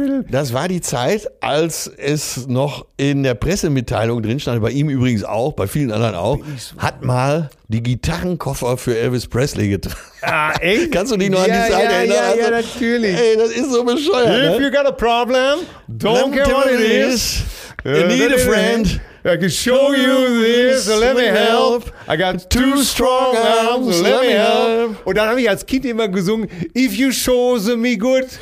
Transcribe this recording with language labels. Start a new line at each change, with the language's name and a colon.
German: Das war die Zeit, als es noch in der Pressemitteilung drin stand, bei ihm übrigens auch, bei vielen anderen auch, hat mal die Gitarrenkoffer für Elvis Presley getragen. Ah, echt? Kannst du dich noch an die Zeit erinnern? Ja, natürlich. Ey, das ist so bescheuert.
English: If you got a problem, don't care what it is. You need a friend. I can show you this, so let me help. I got two strong arms, so let me help.
German: Und dann habe ich als Kind immer gesungen,
English: if you show them me good,